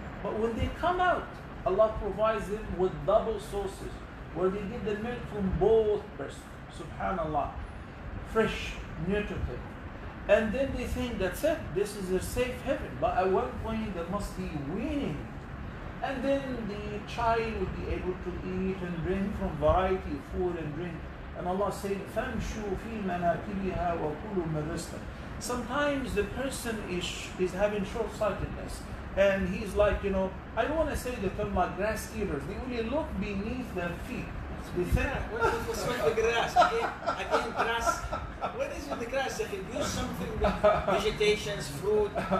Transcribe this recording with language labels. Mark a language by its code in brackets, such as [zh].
[en] But when they come out, Allah provides them with double sources, where they get the milk from both breasts, subhanAllah, fresh, nutritive. And then they think, that's it, this is a safe heaven. But at one point, there must be weaning. And then the child will be able to eat and drink from variety of food and drink. And Allah said, [ar] فَمْشُوا فِي مَنَاكِبِهَا وَكُلُوا مَرِزْقًا. [en] Sometimes the person is having short-sightedness. And he's like, you know, I don't want to say the term like grass eaters. They only look beneath their feet. They think, what's with the grass? Again, grass. What is with the grass? If you use something with vegetation, fruit.